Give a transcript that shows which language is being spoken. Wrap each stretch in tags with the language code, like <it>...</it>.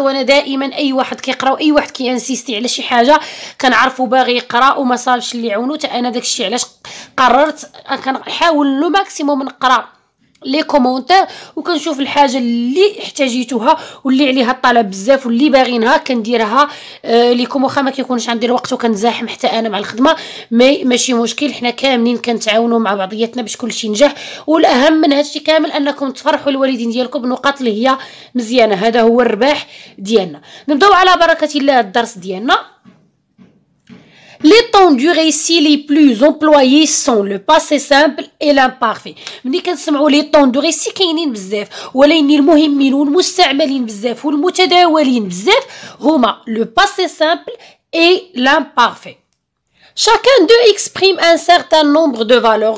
<ar>وانا دائما اي واحد كيقرا واي واحد كيانسيستي على شي حاجه كنعرفو باغي يقرا وما صالش اللي عونو، حتى انا داكشي علاش قررت كنحاول</ar> <fr>لو ماكسيموم</fr> <ar>نقرا</ar> <fr>لي كومونتير</fr> <ar>وكنشوف الحاجه اللي احتاجيتوها واللي عليها الطلب بزاف واللي باغينها كنديرها ليكم، واخا ما كيكونش عندي الوقت وكنزاحم حتى انا مع الخدمه، مي ماشي مشكل، حنا كاملين كنتعاونوا مع بعضياتنا باش كلشي ينجح. والاهم من هادشي كامل انكم تفرحوا الوالدين ديالكم بنقاط اللي هي مزيانه، هذا هو الرباح ديالنا. نبداو على بركه الله الدرس ديالنا.</ar> <fr>Les temps du récit les plus employés sont le passé simple et l'imparfait.</fr> <ar>ملي كنسمعوا</ar> <fr>لي طون دو ريسي</fr> <ar>كاينين بزاف، ولكن المهمين والمستعملين بزاف والمتداولين بزاف هما</ar> <fr>لو باسي سامبل اي لامبارفي. Chacun d'eux exprime un certain nombre de valeurs.</fr>